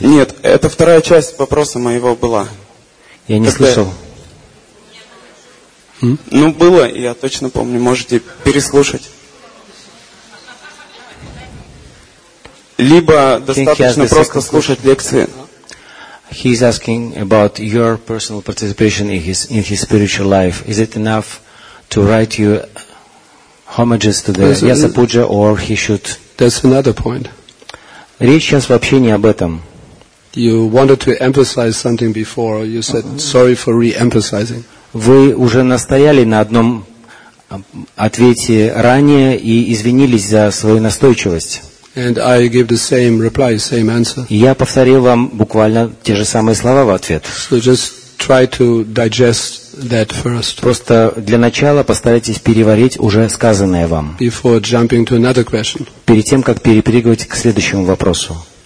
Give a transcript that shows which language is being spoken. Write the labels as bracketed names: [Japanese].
[Russian] Нет, это вторая часть вопроса моего была. Я не слышал. Ну, было, я точно помню, можете переслушать. Либо достаточно просто слушать лекции. [English] He is asking about your personal participation in his spiritual life. Is it enough to write you homages to the Vyasapuja, or he should? That's another point. [Russian] Речь сейчас вообще не об этом. [English] You wanted to emphasize something before. You said sorry for re-emphasizing. [Russian] Вы уже настояли на одном ответе ранее и извинились за свою настойчивость. [English] And I give the same reply, same answer. [Russian] Я повторил вам буквально те же самые слова в ответ. [English] So just try to digest that first. [Russian] Просто для начала постарайтесь переварить уже сказанное вам. [English] Before jumping to another question. [Russian] Перед тем, как перепрыгивать к следующему вопросу.